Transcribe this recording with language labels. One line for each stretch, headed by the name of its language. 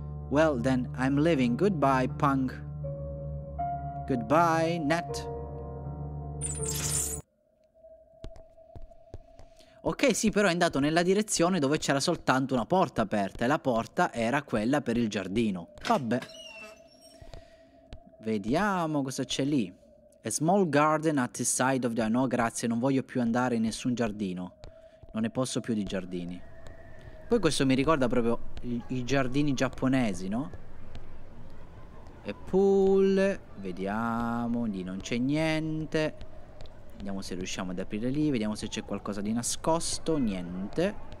English: Well, then, I'm leaving. Goodbye, Punk. Goodbye, Nat.
Italian: Ok, sì, però è andato nella direzione dove c'era soltanto una porta aperta e la porta era quella per il giardino. Vabbè. Vediamo cosa c'è lì.
English: A small garden at the side of the...
Italian: No, grazie, non voglio più andare in nessun giardino. Non ne posso più di giardini. Poi questo mi ricorda proprio i giardini giapponesi, no? E pool. Vediamo, lì non c'è niente. Vediamo se riusciamo ad aprire lì, vediamo se c'è qualcosa di nascosto, niente.